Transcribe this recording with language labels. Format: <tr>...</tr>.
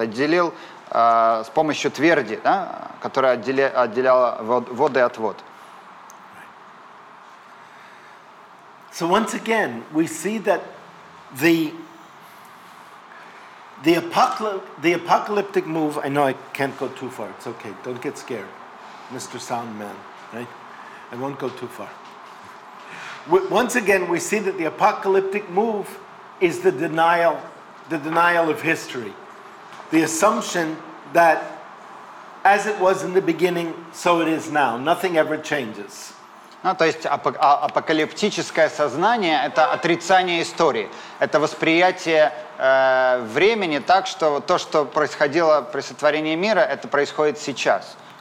<ru>Отделил с помощью тверди, да? Которая отделяла воды от вод.</ru> <en>So once again, we see that the apocalyptic move, I know I can't go too far, it's okay, don't get scared, Mr. Soundman, right? I won't go too far. Once again, we see that the apocalyptic move is the denial of history. The assumption that as it was in the beginning, so it is now. Нothing ever changes.</en> <ru>Ну, то есть апокалиптическое сознание – это отрицание истории. Это восприятие времени так, что то, что происходило при сотворении мира, это происходит сейчас.</ru>